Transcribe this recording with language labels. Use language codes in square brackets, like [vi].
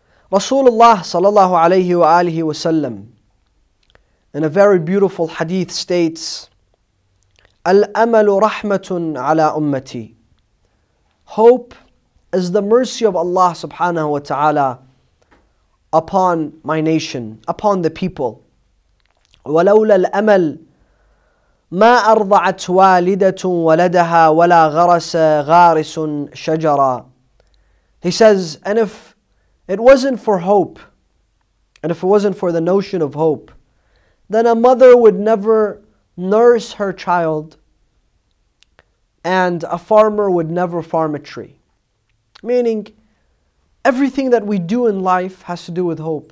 [en] Rasulullah sallallahu alayhi wa alihi wa sallam in a very beautiful hadith states, Al-amalu rahmatun ala ummati. Hope is the mercy of Allah subhanahu wa ta'ala upon my nation, upon the people. [ar] ولولا الأمل ما أرضعت والدة ولدها ولا غرس غارس شجرا. [en] He says, and if it wasn't for hope, and if it wasn't for the notion of hope, then a mother would never nurse her child, and a farmer would never farm a tree. Meaning, everything that we do in life has to do with hope.